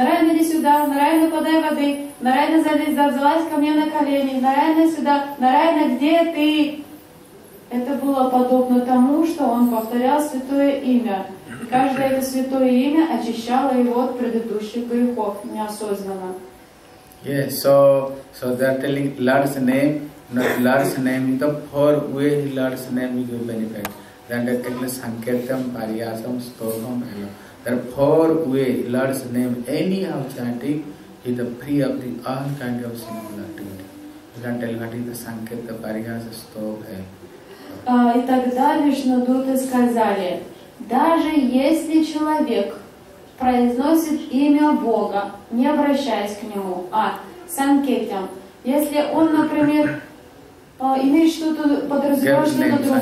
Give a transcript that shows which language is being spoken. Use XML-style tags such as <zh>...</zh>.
<ru>Нарайана, иди сюда, Нарайана, подай воды, Нарайана, залазь ко мне на колени, Нарайана, сюда, Нарайана, где ты? Это было подобно тому, что он повторял святое имя. Каждое это святое имя очищало его от предыдущих грехов неосознанно.</ru> <en>Yes, so they are telling Lord's name, not Lord's name, the four ways Lord's name will benefit. Then they are telling Sankirtam, Pariyasam, Stogam, Elo. There are four ways Lord's name, anyhow chanting, is the free of the all kind of sinful activity. You can tell what is the Sankirtam, Pariyasam, Stogam, Elo.</en> <ru>И тогда Вишнадуты сказали, даже если человек произносит имя Бога, не обращаясь к нему, а санкетям, если он, например, имеет что-то подразумевающее,</ru>